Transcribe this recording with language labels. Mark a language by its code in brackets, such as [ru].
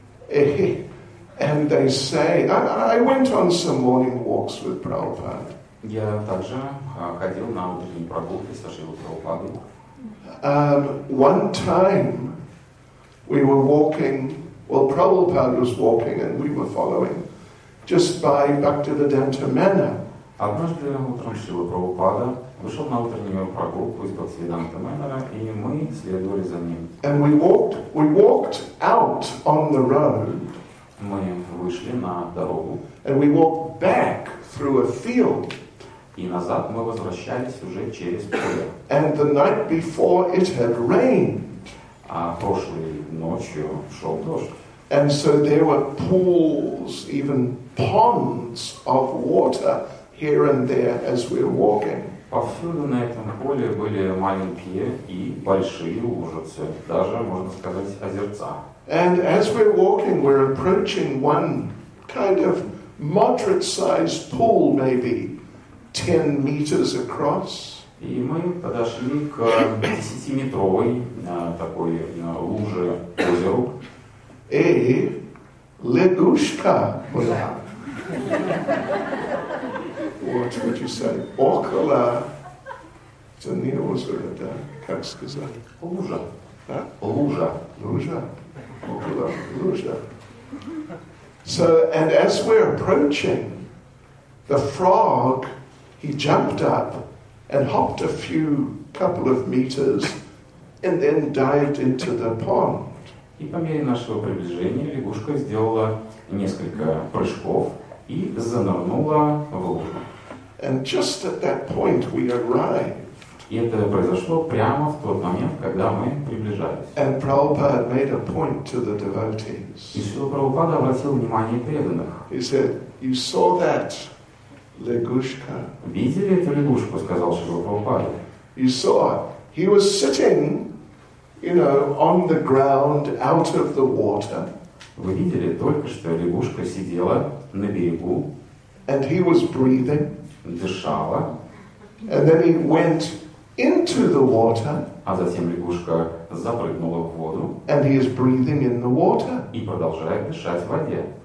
[en] And they say, I went on some morning walks with Prabhupada. [ru] Я также ходил на утренние прогулки со Шрилой Прабхупадой. [en] One time we were walking, well, Prabhupada was walking and we were following, just by Bhaktivedanta Mena. [ru] Однажды утром Шрила Прабхупада вышел на утреннюю прогулку из Бхактивиданта Менера, и мы следовали за ним. [en] And we walked out on the road. [ru] Мы вышли на дорогу. [en] And we walked back through a field. [ru] И назад мы возвращались уже через поле. [en] And the night before it had rained. [ru] А прошлой ночью шел дождь. [en] And so there were pools, even ponds of water here and there as we were walking. [ru] Повсюду на этом поле были маленькие и большие лужицы, даже, можно сказать, озерца. [en] And as we're walking, we're approaching one kind of moderate-sized pool, maybe 10 meters across. [ru] И мы подошли к 10-метровой такой луже, озеру. И лягушка была. [en] What would you say? [ru] Около. Это не озеро, да? Как сказать? Лужа. А? Лужа. Лужа. Около лужа. [en] So, and as we're approaching, the frog, he jumped up and hopped a few couple of meters and then dived into the pond. [ru] И по мере нашего приближения лягушка сделала несколько прыжков и занырнула в лужу. [en] And just at that point we arrived. [ru] И это произошло прямо в тот момент, когда мы приближались. [en] And Prabhupada made a point to the devotees. [ru] И Шрила Прабхупада обратил внимание преданных. [en] He said, you saw that [ru] лягушка. Видели эту лягушку, сказал Шрила Прабхупада. [en] You saw, he was sitting, you know, on the ground, out of the water. [ru] Вы видели только что лягушка сидела на берегу. [en] And he was breathing. [ru] Дышала. [en] And then he went into the water. [ru] А затем лягушка запрыгнула в воду. [en] And he is breathing in the water. [ru] И продолжает дышать в воде.